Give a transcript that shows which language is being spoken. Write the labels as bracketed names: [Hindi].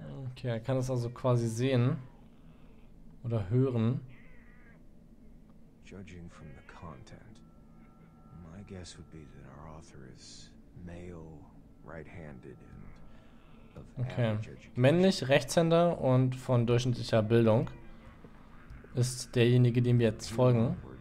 [German] Okay, er kann es also quasi sehen oder hören. [English] Judging from the content, my guess would be that our author is male, right-handed and of okay. [German] Männlich, Rechtshänder und von durchschnittlicher Bildung ist derjenige, dem wir jetzt folgen.